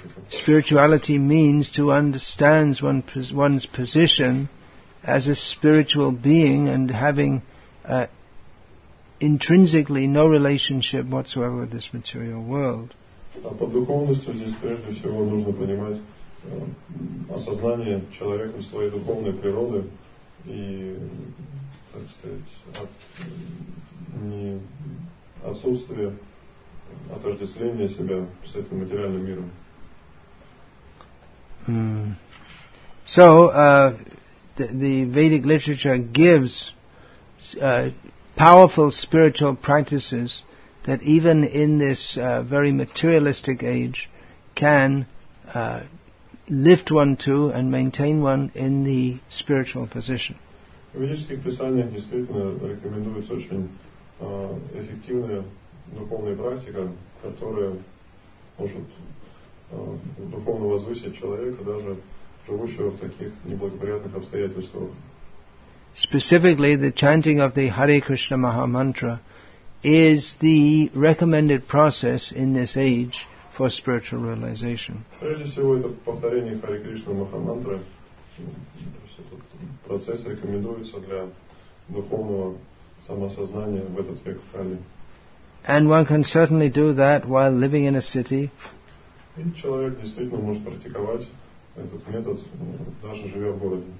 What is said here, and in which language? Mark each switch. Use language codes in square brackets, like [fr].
[en] Spirituality means to understand one's position as a spiritual being and having intrinsically no relationship whatsoever with this material world. [ru] А по духовности здесь прежде всего нужно понимать осознание человеком своей духовной природы и, так сказать, не отсутствие отождествления себя с этим материальным миром. [en] So the Vedic literature gives powerful spiritual practices that even in this very materialistic age can lift one to and maintain one in the spiritual position. [ru] В ведических писаниях действительно рекомендуется очень эффективная духовная практика, которая может духовно возвысить человека, даже живущего в таких неблагоприятных обстоятельствах. [en] Specifically, the chanting of the Hare Krishna Maha Mantra is the recommended process in this age for spiritual realization. [ru] Прежде всего, это повторение Хари Кришна Махамантры. Этот процесс рекомендуется для духовного самосознания в этот век Кали. [en] And one can certainly do that while living in a city. [ru] И человек действительно может практиковать этот метод, даже живя в городе.